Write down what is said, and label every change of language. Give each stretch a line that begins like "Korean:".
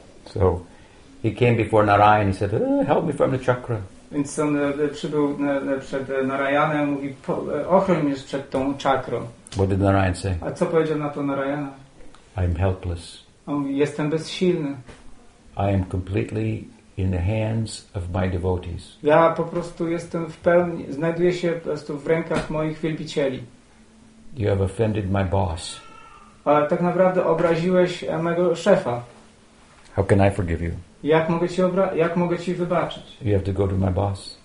English: So he came before Narayan, he said, "Help me from the chakra."
Polish: Więc on przybył przed Narayanem, mówi, ochroń mnie przed tą czakrą.
English: What did Narayan say?
Polish: A co powiedział na to Narayana?
English: I'm helpless.
Polish: On mówi, jestem bezsilny.
English: I am completely in the hands of my devotees.
Polish: Ja po prostu jestem w pełni, znajduję się po prostu w rękach moich wielbicieli.
English: You have offended my boss.
Polish: A tak naprawdę obraziłeś mego szefa.
English: How can I forgive you?
Polish: Jak mogę ci wybaczyć?
English: You have to go to my boss.